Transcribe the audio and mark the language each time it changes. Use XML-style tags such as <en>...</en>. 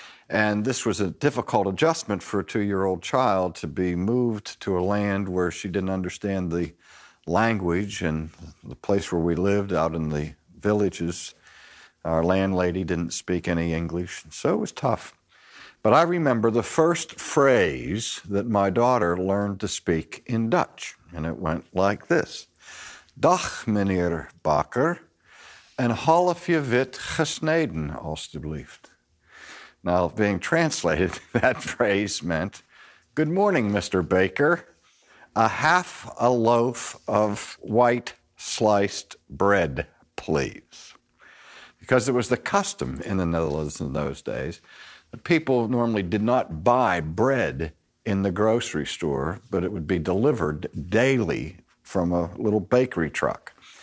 <en>And this was a difficult adjustment for a two-year-old child to be moved to a land where she didn't understand the language and the place where we lived out in the villages. Our landlady didn't speak any English, so it was tough. But I remember the first phrase that my daughter learned to speak in Dutch, and it went like this.</en> <nl>Dag, meneer Bakker, en half je wit gesneden, alstublieft.</nl> <en>Now, being translated, that phrase meant, good morning, Mr. Baker, a half a loaf of white sliced bread, please. Because it was the custom in the Netherlands in those days, people normally did not buy bread in the grocery store, but it would be delivered daily from a little bakery truck.</en>